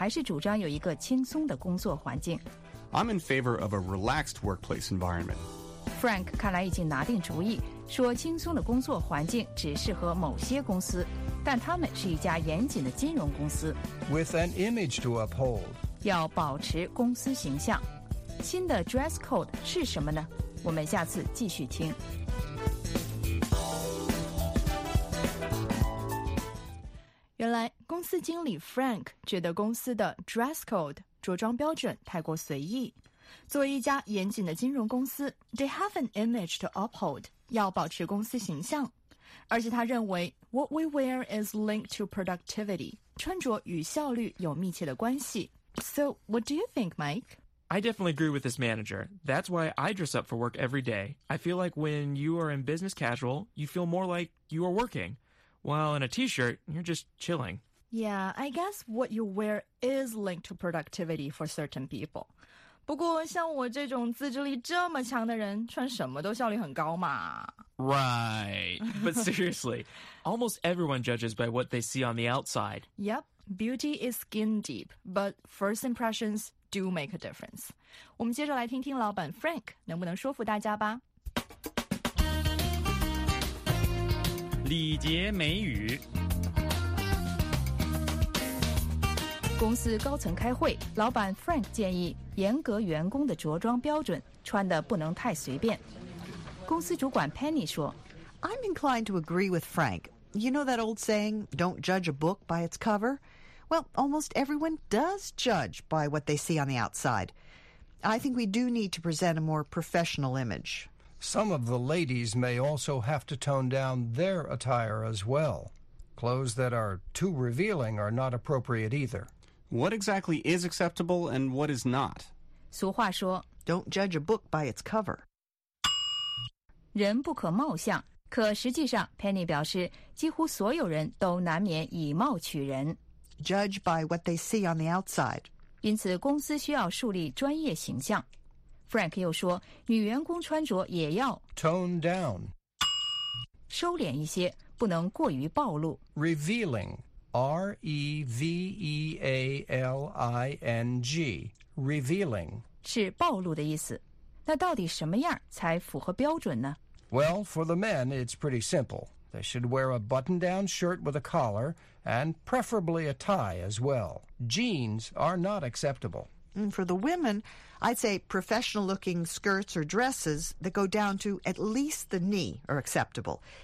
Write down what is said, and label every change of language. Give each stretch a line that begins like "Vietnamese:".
Chinese: 但我还是主张有一个轻松的工作环境。
English: I'm in favor of a relaxed workplace environment.
Chinese: Frank看来已经拿定主意, 说轻松的工作环境只适合某些公司, 但他们是一家严谨的金融公司。
English: With an image to uphold.
Chinese: 要保持公司形象。新的dress code是什么呢? 我们下次继续听。原来公司经理Frank觉得公司的dress code着装标准太过随意。作为一家严谨的金融公司,
English: they have an image to uphold,
Chinese: 要保持公司形象。而且他认为,
English: what we wear is linked to productivity,
Chinese: 穿着与效率有密切的关系。
English: So, what do you think, Mike? I definitely agree with this manager. That's why I dress up for work every day. I feel like when you are in business casual, you feel more like you are working. While in a t-shirt, you're just chilling. Yeah, I guess what you wear is linked to productivity for certain people.
Chinese: 不过像我这种自制力这么强的人,穿什么都效率很高嘛。
English: Right. But seriously, almost everyone judges by what they see on the outside. Yep. Beauty is skin deep, but first impressions do make a difference.
Chinese: 我们接着来听听老板Frank能不能说服大家吧。礼节美语公司高层开会, 老板Frank建议严格员工的着装标准, 穿得不能太随便。公司主管Penny说,
English: I'm inclined to agree with Frank. You know that old saying, don't judge a book by its cover? Well, almost everyone does judge by what they see on the outside. I think we do need to present a more professional image. Some of the ladies may also have to tone down their attire as well. Clothes that are too revealing are not appropriate either. What exactly is acceptable and what is not?
Chinese: 俗话说,
English: don't judge a book by its cover.
Chinese: 人不可貌相, 可实际上, Penny表示, 几乎所有人都难免以貌取人。
English: Judge by what they see on the outside.
Chinese: 因此公司需要树立专业形象。 Frank又说, 女员工穿着也要
English: Tone down.
Chinese: 收敛一些, 不能过于暴露。
English: Revealing. R-E-V-E-A-L-I-N-G. Revealing.
Chinese: 是暴露的意思。那到底什么样才符合标准呢?
English: Well, for the men, it's pretty simple. They should wear a button-down shirt with a collar, and preferably a tie as well. Jeans are not acceptable. And for the women, I'd say professional-looking skirts or dresses that go down to at least the knee are acceptable.